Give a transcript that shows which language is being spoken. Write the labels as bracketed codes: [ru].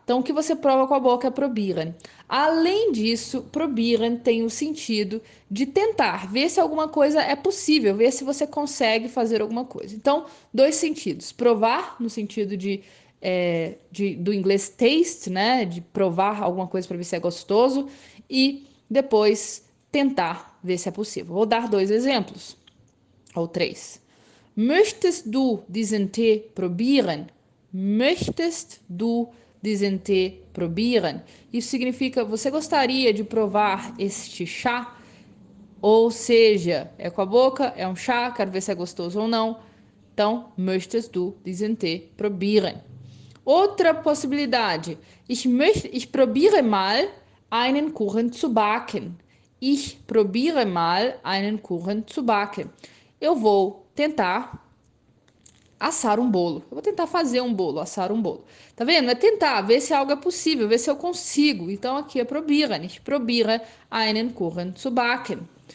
[pt] Então, o que você prova com a boca é probieren. Além disso, probieren tem o sentido de tentar, ver se alguma coisa é possível, ver se você consegue fazer alguma coisa. Então, dois sentidos: provar, no sentido de. Do inglês taste, né? De provar alguma coisa para ver se é gostoso e depois tentar ver se é possível. Vou dar dois exemplos, ou três. [de] Möchtest du diesen Tee probieren? Möchtest du diesen Tee probieren? [pt] Isso significa: você gostaria de provar este chá? Ou seja, é com a boca, é um chá, quero ver se é gostoso ou não. Então, [de] möchtest du diesen Tee probieren? [pt] Outra possibilidade. [de] Ich probiere mal einen Kuchen zu backen. Ich probiere mal einen Kuchen zu backen. [pt] Eu vou tentar assar um bolo. Eu vou tentar fazer um bolo, assar um bolo. Tá vendo? É tentar ver se algo é possível, ver se eu consigo. Então aqui é probieren. [de] Ich probiere einen Kuchen zu backen.